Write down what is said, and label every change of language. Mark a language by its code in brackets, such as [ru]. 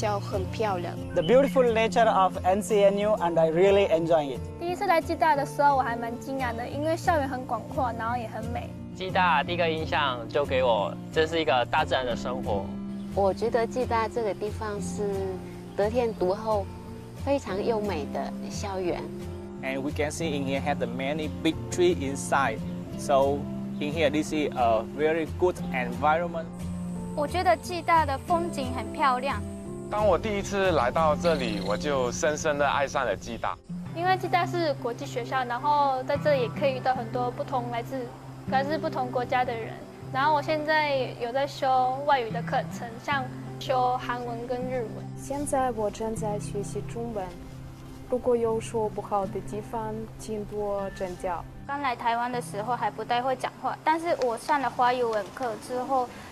[en] The beautiful nature of NCNU, and I really enjoy it. [zh] 第一次来暨大的时候，我还蛮惊讶的，因为校园很广阔，然后也很美。暨大第一个印象就给我，这是一个大自然的生活。我觉得暨大这个地方是得天独厚、非常优美的校园。And [en] we can see in here have the many big trees inside, so in here this is a very good environment. [zh] 我觉得暨大的风景很漂亮。当我第一次来到这里，我就深深的爱上了暨大，因为暨大是国际学校，然后在这里可以遇到很多不同来自不同国家的人。然后我现在有在修外语的课程，像修韩文跟日文。现在我正在学习中文，如果有说不好的地方，请多指教。刚来台湾的时候还不太会讲话，但是我上了华语文课之后。